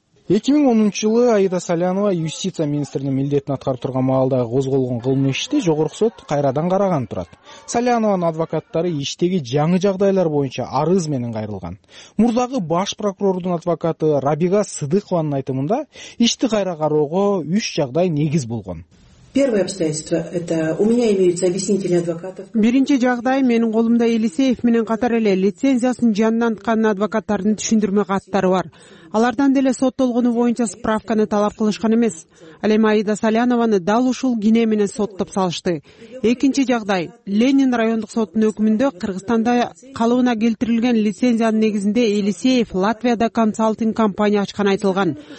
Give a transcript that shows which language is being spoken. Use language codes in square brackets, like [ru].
[ky] 2010 жылы Аида Салянова юстиция министринин милдетин аткарып турган маалда козголгон кылмыш ишти жогорку сот кайрадан караган турат. Салянованын адвокаттары иштеги жаңы жагдайлар боюнча арыз менен кайрылган. Мурдагы баш прокурордун адвокаты Рабига Сыдыкованын айтымында ишти кайра кароого 3 жагдай негиз болгон. [ru] Первое обстоятельство это у меня имеются объяснительные адвокаты. [ky] Биринчи жагдай менин колумда Элисеев менен катар эле лицензиясын жандан аткан адвокаттардын түшүндүрмө каттары бар. Алардан деле соттолгону боюнча справканы талап кылышкан эмес. Ал эми Аида Саляновану дал ушул кине менен соттоп салышты. Экинчи жагдай Ленин райондук сотунун өкүмүндө Кыргызстанда калыбына келтирилген лицензиянын негизинде Элисеев Латвияда консалтинг компания ачканы айтылган.